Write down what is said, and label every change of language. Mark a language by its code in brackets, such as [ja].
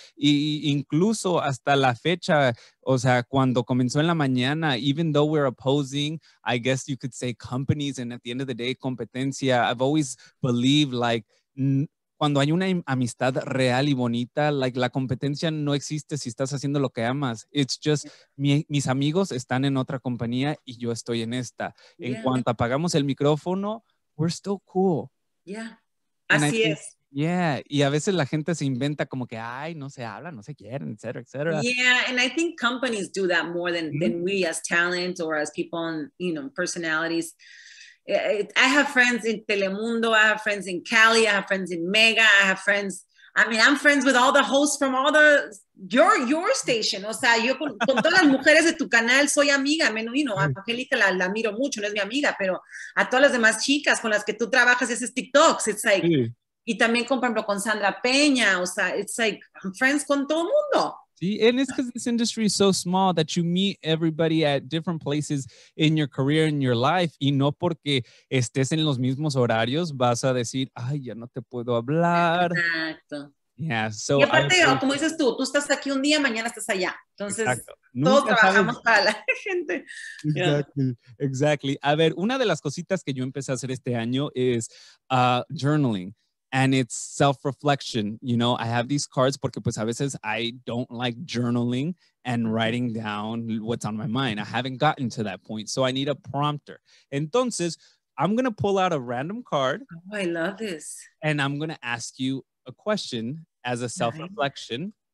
[es] y incluso hasta la fecha, o sea, cuando comenzó en la mañana, [en] even though we're opposing, I guess you could say companies, and at the end of the day, [es] competencia, [en] I've always believed, like, [es] cuando hay una amistad real y bonita, like, la competencia no existe si estás haciendo lo que amas. [en] It's just, [es] mis amigos están en otra compañía y yo estoy en esta. Yeah. En cuanto apagamos el micrófono, [en] we're still cool. Yeah, and [es] así es. Yeah, y a veces la gente se inventa como que, ay, no se habla, no se quieren, et cetera, et cetera. [en] Yeah, and I think companies do that more than we as talent or as people on, you know, personalities. I have friends in Telemundo, I have friends in Cali, I have friends in Mega, I have friends, I mean, I'm friends with all the hosts from all the, your station, [es] o sea, yo con todas las mujeres de tu canal soy amiga, menos, [en] you know, [es] a Angelica la miro mucho, no es mi amiga, pero a todas las demás chicas con las que tú trabajas, esos TikToks, [en] it's like... Sí. [es] Y también, por ejemplo, con Sandra Peña, o sea, [en] it's like, I'm friends [es] con todo mundo. [en] Sí, and it's because this industry is so small that you meet everybody at different places in your career, in your life, [es] y no porque estés en los mismos horarios, vas a decir, ay, ya no te puedo hablar. Exacto. [en] Yeah, so. [es] Y aparte, [en] I'm, [es] como dices tú estás aquí un día, mañana estás allá. Entonces, todos trabajamos para la gente. [en] Exactly. [es] A ver, una de las cositas que yo empecé a hacer este año es journaling. [en] And it's self-reflection. You know, I have these cards [es] porque pues a veces [en] I don't like journaling and writing down what's on my mind. I haven't gotten to that point. So I need a prompter. Entonces, I'm going to pull out a random card. Oh, I love this. And I'm going to ask you a question as a self-reflection.